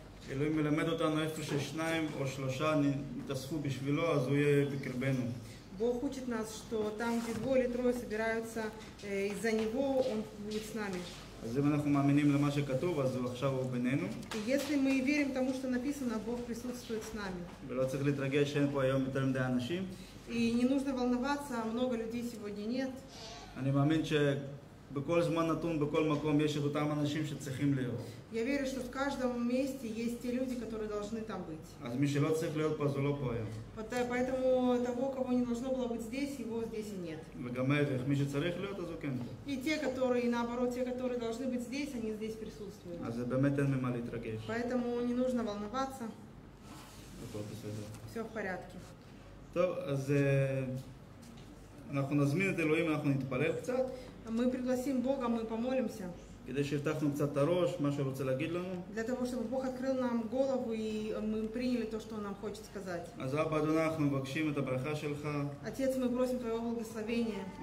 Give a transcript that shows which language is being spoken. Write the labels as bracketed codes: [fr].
[he] אלוהים מלמד אותנו איפה ששניים או שלושה נתאספו בשבילו, אז הוא יהיה בקרבנו. [ru] Бог учит нас, что там, где двое или трое собираются из-за Него, Он будет с нами. [he] אז אם אנחנו מאמינים למה שכתוב, אז הוא עכשיו בינינו. [ru] Если мы верим тому, что написано, Бог присутствует с нами. [he] ולא צריך להתרגש שאין פה היום יותר מדי אנשים. [ru] И не нужно волноваться, много людей сегодня нет. [he] אני מאמין ש... בכל זמן נתון, בכל מקום, יש את אותם אנשים שצריכים להיות. [ru] Я верю, что в каждом месте есть те люди, которые должны там быть. [he] אז מי שלא צריך להיות פה, זה לא פה היום. [ru] Поэтому того, кого не должно было быть здесь, его здесь и нет. [he] וגם ההפך, מי שצריך להיות, אז הוא כן. [ru] И те, которые, наоборот, те, которые должны быть здесь, они здесь присутствуют. [he] אז באמת אין ממה להתרגש. [ru] Поэтому не нужно волноваться. [he] הכל בסדר. [ru] Все в порядке. [he] טוב, אז אנחנו נזמין את אלוהים, אנחנו נתפלל קצת. [ru] Мы пригласим Бога, мы помолимся. Для того, чтобы Бог открыл нам голову и мы приняли то, что Он нам хочет сказать. Отец, мы просим Твоего благословения.